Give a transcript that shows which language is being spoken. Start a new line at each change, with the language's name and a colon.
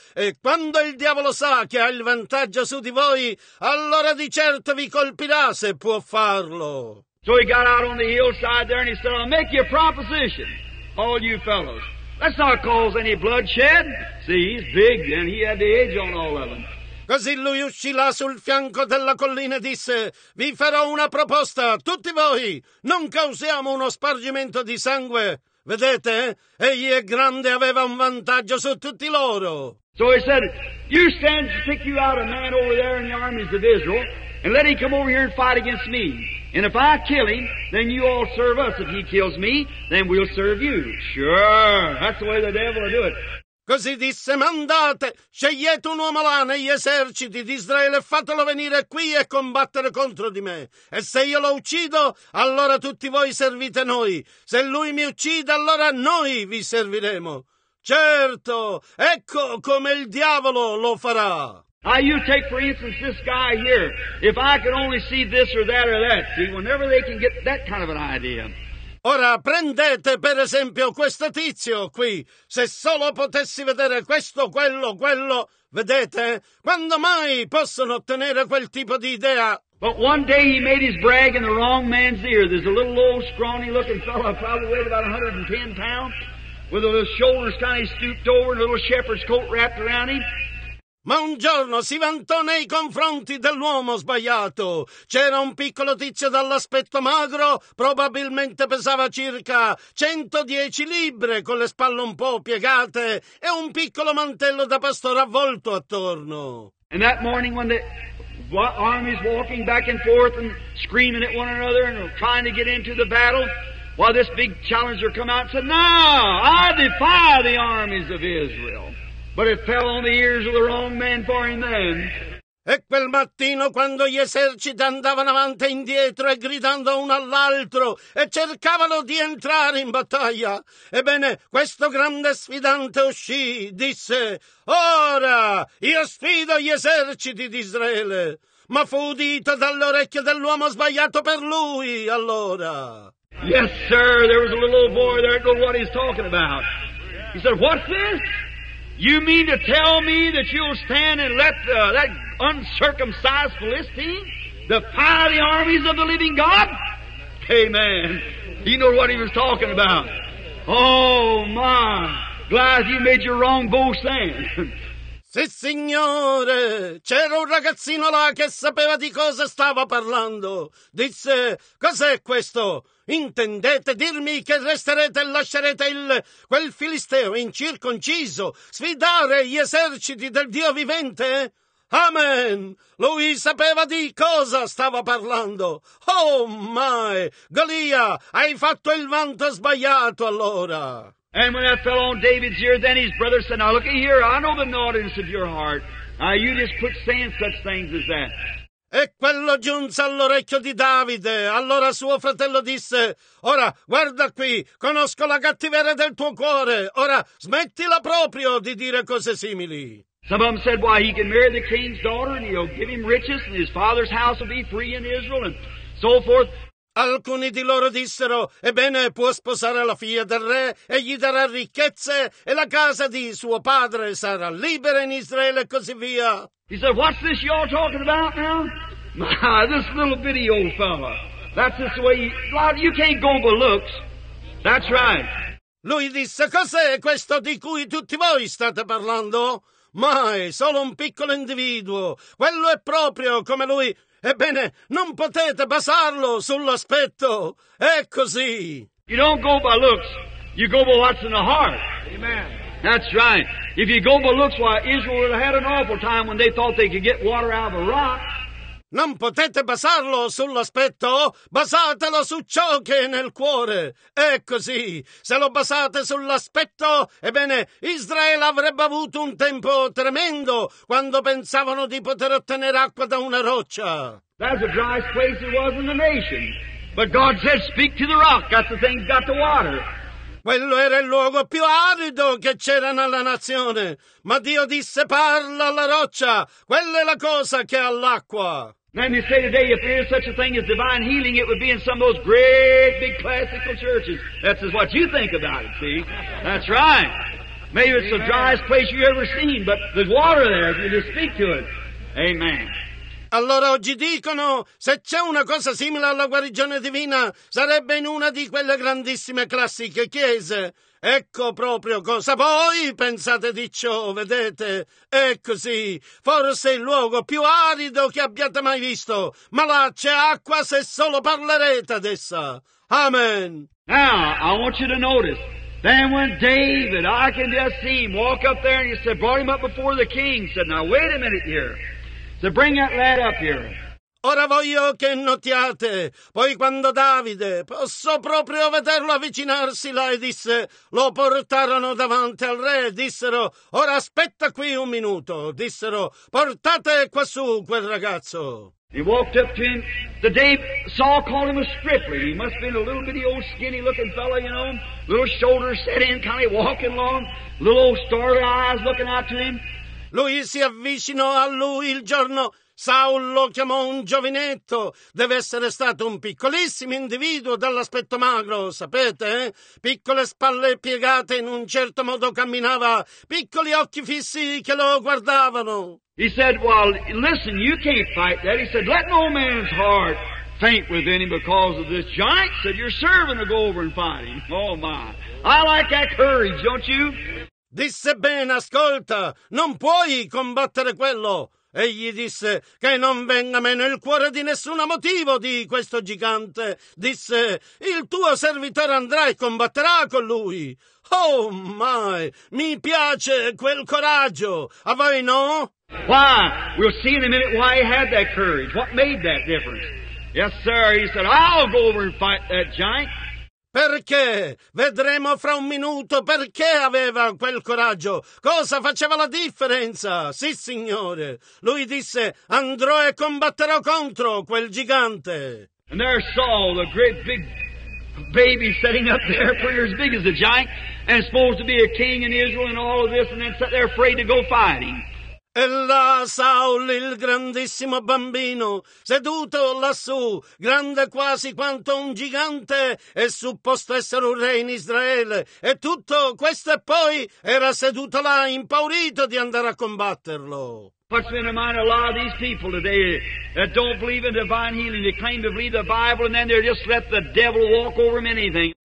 Italian: E quando il diavolo sa che ha il vantaggio su di voi, allora di certo vi colpirà se può farlo.
English: So he got out on the hillside there and he said, "I'll make you a proposition, all you fellows. Let's not cause any bloodshed." See, he's big and he had the edge on all of them.
Italian: Così lui uscì là sul fianco della collina e disse, vi farò una proposta, tutti voi, non causiamo uno spargimento di sangue. Vedete, egli è grande, aveva un vantaggio su tutti loro.
English: So he said, you send to pick you out a man over there in the armies of Israel, and let him come over here and fight against me. And if I kill him, then you all serve us. If he kills me, then we'll serve you. Sure, that's the way the devil will do it.
Italian: Così disse, mandate, scegliete un uomo là negli eserciti di Israele e fatelo venire qui e combattere contro di me. E se io lo uccido, allora tutti voi servite noi. Se lui mi uccide, allora noi vi serviremo. Certo, ecco come il diavolo lo farà.
English: Now you take for instance this guy here. If I could only see this or that, see, whenever they can get that kind of an idea.
Italian: Ora prendete per esempio questo tizio qui, se solo potessi vedere questo, quello, vedete? Quando mai possono ottenere quel tipo di idea?
English: But one day he made his brag in the wrong man's ear. There's a little old scrawny looking fellow, probably weighed about 110 pounds, with his shoulders kind of stooped over and a little shepherd's coat wrapped around him.
Italian: Ma un giorno si vantò nei confronti dell'uomo sbagliato. C'era un piccolo tizio dall'aspetto magro, probabilmente pesava circa 110 libbre, con le spalle un po' piegate e un piccolo mantello da pastore avvolto attorno.
English: And that morning when the armies walking back and forth and screaming at one another and trying to get into the battle, while this big challenger come out and said, "Now, I defy the armies of Israel." But it fell on the ears of the wrong man for him then.
Italian: E quel mattino, quando gli eserciti andavano avanti e indietro e gridando uno all'altro e cercavano di entrare in battaglia, ebbene, questo grande sfidante uscì, disse: «Ora io sfido gli eserciti di Israele!» Ma fu udito dall'orecchio dell'uomo sbagliato per lui, allora.
English: Yes, sir, there was a little boy there knew what he's talking about. He said, what's this? You mean to tell me that you'll stand and let that uncircumcised Philistine defy the armies of the living God? Amen. He knew what he was talking about. Oh, my. Glad you made your wrong bow stand.
Italian: Sì, signore, c'era un ragazzino là che sapeva di cosa stava parlando. Disse, cos'è questo? Intendete dirmi che resterete e lascerete quel filisteo incirconciso sfidare gli eserciti del Dio vivente? Amen! Lui sapeva di cosa stava parlando.
English: Oh, my!
Italian: Golia, hai fatto il vanto sbagliato allora!
English: And when that fell on David's ear, then his brother said, now looky here, I know the naughtiness of your heart. You just quit saying such things as that.
Italian: E quello giunse all'orecchio di Davide. Allora suo fratello disse, ora guarda qui, conosco la cattiveria del tuo cuore. Ora smettila proprio di dire cose simili.
English: Some of them said, why, he can marry the king's daughter and he'll give him riches and his father's house will be free in Israel and so forth.
Italian: Alcuni di loro dissero, ebbene, può sposare la figlia del re e gli darà ricchezze e la casa di suo padre sarà libera in Israele e così via.
English: He said, what's this you're talking about now? My, this little bitty old fella. That's just the way you can't go by looks. That's right.
Italian: Lui disse, cos'è questo di cui tutti voi state parlando? Mai, solo un piccolo individuo. Quello è proprio come lui... Ebbene, non potete basarlo sull'aspetto. È così.
English: You don't go by looks. You go by what's in the heart. Amen. That's right. If you go by looks, why, Israel would have had an awful time when they thought they could get water out of a rock.
Italian: Non potete basarlo sull'aspetto, basatelo su ciò che è nel cuore. È così. Se lo basate sull'aspetto, ebbene, Israele avrebbe avuto un tempo tremendo quando pensavano di poter ottenere acqua da una roccia.
English: That's the driest place it was in the nation. But God said, speak to the rock, that's the thing that got the water.
Italian: Quello era il luogo più arido che c'era nella nazione. Ma Dio disse, parla alla roccia. Quella è la cosa che ha l'acqua.
English: Then you say today, if there is such a thing as divine healing, it would be in some of those great big classical churches. That's just what you think about it, see? That's right. Maybe it's Amen. The driest place you've ever seen, but there's water there if you just speak to it. Amen.
Italian: Allora oggi dicono, se c'è una cosa simile alla guarigione divina, sarebbe in una di quelle grandissime classiche chiese. Ecco proprio cosa voi pensate di ciò, vedete? È così, forse il luogo più arido che abbiate mai visto, ma là c'è acqua se solo parlerete ad essa. Amen.
English: Now, I want you to notice, then when David, I can just see him, walk up there and he said, brought him up before the king, said, now wait a minute here. So bring that lad up here.
Italian: Ora voglio che notiate, poi quando Davide, posso proprio vederlo avvicinarsi là e disse, lo portarono davanti al re, dissero, ora aspetta qui un minuto, dissero, portate quassù quel ragazzo.
English: He walked up to him, the day Saul called him a stripling, he must have been a little bitty old skinny looking fellow, you know, little shoulders set in, kind of walking along, little old starry eyes looking out to him.
Italian: Lui si avvicinò a lui il giorno. Saul lo chiamò un giovinetto. Deve essere stato un piccolissimo individuo dall'aspetto magro, sapete? Piccole spalle piegate in un certo modo camminava. Piccoli occhi fissi che lo guardavano.
English: He said, well, listen, you can't fight that. He said, let no man's heart faint within him because of this giant. He said, your servant will go over and fight him. Oh, my. I like that courage, don't you?
Italian: Disse, bene, ascolta, non puoi combattere quello. Egli disse, che non venga meno il cuore di nessuno motivo di questo gigante. Disse, il tuo servitore andrà e combatterà con lui.
English: Oh, my,
Italian: mi piace quel coraggio. A voi no?
English: Why? We'll see in a minute why he had that courage. What made that difference? Yes, sir, he said, I'll go over and fight that giant.
Italian: Perché? Vedremo fra un minuto perché aveva quel coraggio. Cosa faceva la differenza? Sì, signore. Lui disse, andrò e combatterò contro quel gigante.
English: And there Saul, the great big baby sitting up there, pretty as big as a giant, and supposed to be a king in Israel and all of this, and then sat there afraid to go fighting.
Italian: E là Saul, il grandissimo bambino, seduto lassù, grande quasi quanto un gigante, e supposto essere un re in Israele, e tutto questo, e poi era seduto là, impaurito di andare a combatterlo.
English: Puts me in mind a lot of these people today that don't believe in divine healing. They claim to believe the Bible and then they just let the devil walk over them anything.